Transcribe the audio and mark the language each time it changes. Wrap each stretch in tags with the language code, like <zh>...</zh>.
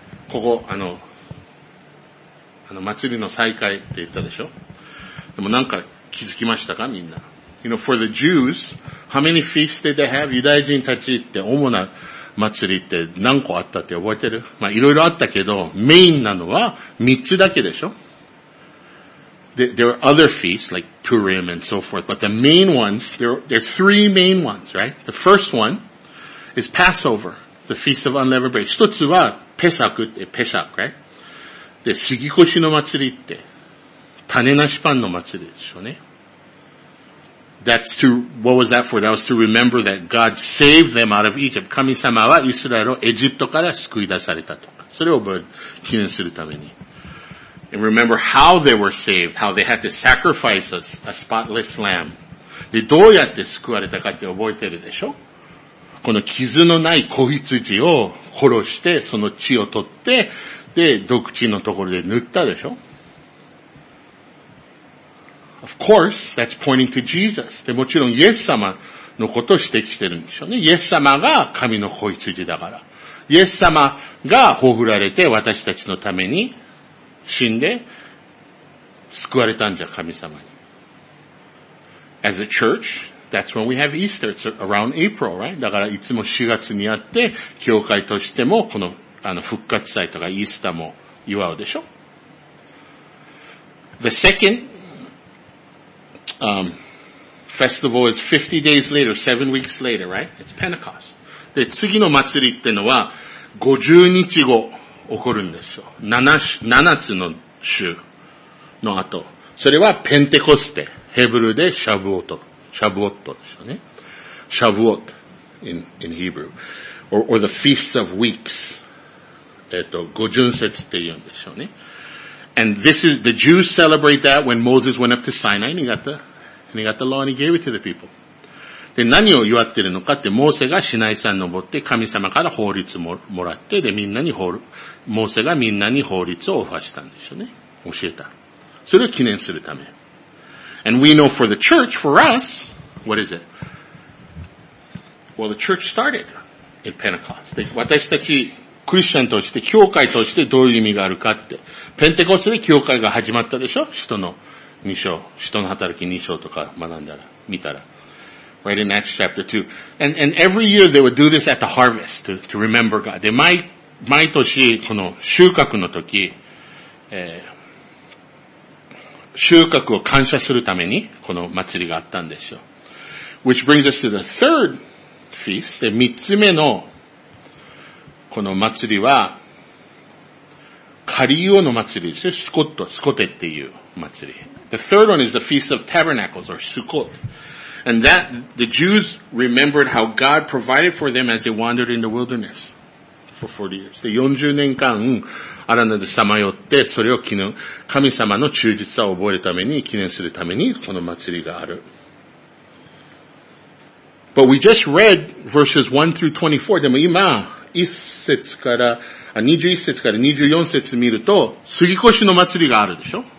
<ja>ここ、あの祭りの再開って言ったでしょ? でもなんか気づきましたか? みんな。</ja> <en>You know, for the Jews, how many feasts did they have?</en> <ja>ユダヤ人たちって主な祭りって何個あったって覚えてる? まあいろいろあったけど、メインなのは3つだけでしょ?</ja> <en>There are other feasts, like Purim and so forth, but the main ones, there are three main ones, right? The first one is Passover, the Feast of Unleavened Bread.</en> <ja>一つはペサクって、ペサク、right? で、杉越の祭りって、種なしパンの祭りでしょうね。</ja> <en>What was that for? That was to remember that God saved them out of Egypt.</en> <ja>神様はイスラエルをエジプトから救い出されたとか。それを記念するために。</ja> <en>And remember how they were saved, how they had to sacrifice a spotless lamb.</en> <ja>で、どうやって救われたかって覚えてるでしょ？この傷のない子羊を殺して、その血を取って、で、毒血のところで塗ったでしょ？</ja> <en>Of course, that's pointing to Jesus.</en> <ja>で、もちろんイエス様のことを指摘してるんでしょうね。イエス様が神の子羊だから。イエス様が葬られて私たちのために死んで救われたんじゃ、神様に。</ja> <en>As a church, that's when we have Easter. It's around April, right?</en> <ja>だからいつも4月にあって、教会としてもこの、復活祭とかイースターも祝うでしょ。</ja> <en>The second, festival is 50 days later, 7 weeks later, right? It's Pentecost.</en> <ja>で、次の祭りってのは50日後起こるんですよ。 7つの週の後。それはペンテコステ。ヘブルでシャブオト。シャブオットですよね。</ja> <en>シャブオット in Hebrew. Or the Feast of Weeks.</en> <ja>五旬節って言うんですよね。</ja> <en>And this is, the Jews celebrate that when Moses went up to Sinai and he got the law and he gave it to the people.</en> <ja>で、何を祝ってるのかって、モーセがシナイ山登って神様から法律をもらって、で、みんなに法律、モーセがみんなに法律をオファーしたんですよね。教えた。それを記念するため。</ja> <en>And we know for the church, for us, what is it? Well, the church started at Pentecost.</en> <ja>で、私たち、クリスチャンとして、教会としてどういう意味があるかって。ペンテコステで教会が始まったでしょ？使徒の2章、使徒の働き2章とか学んだら、見たら。</ja> <en>Right in Acts chapter 2. And every year they would do this at the harvest to remember God.</en> <ja>で、毎年、この収穫の時、収穫を感謝するために、この祭りがあったんですよ。</ja> <en>Which brings us to the third feast.</en> <ja>で、三つ目の、この祭りは、カリオの祭りですよ。スコテっていう祭り。</ja> <en>The third one is the Feast of Tabernacles, or Sukkot. And that, the Jews remembered how God provided for them as they wandered in the wilderness for 40 years.</en> <ja>で、40年間、アラナでさまよって、それを記念、神様の忠実さを覚えるために、記念するために、この祭りがある。</ja> <en>But we just read verses 1 through 24.</en> <ja>でも今、21節から24節見ると、杉越の祭りがあるでしょ？</ja>